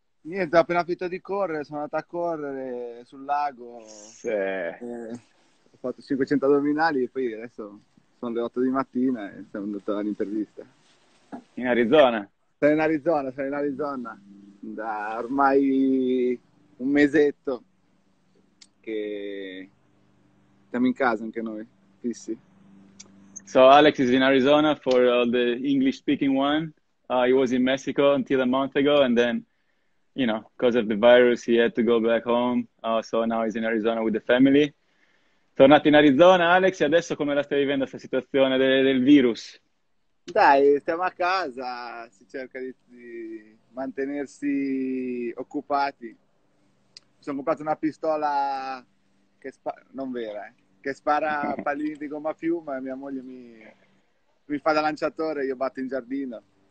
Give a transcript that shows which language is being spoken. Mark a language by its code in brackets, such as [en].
[it] Niente, ho appena finito di correre, sono andato a correre sul lago, ho fatto 500 addominali e poi adesso sono le 8 di mattina e siamo andati all'intervista. In Arizona. Sono in Arizona, da ormai un mesetto che siamo in casa anche noi, fissi. [en] So Alex is in Arizona for the English speaking one. He was in Mexico until a month ago, and then because of the virus, he had to go back home. So now he's in Arizona with the family. [it] Tornato in Arizona, Alex, e adesso come la stai vivendo questa situazione del virus? Dai, stiamo a casa, si cerca di mantenersi occupati. Mi sono comprato una pistola che non vera, che spara pallini di gomma a piuma e mia moglie mi fa da lanciatore, io batto in giardino.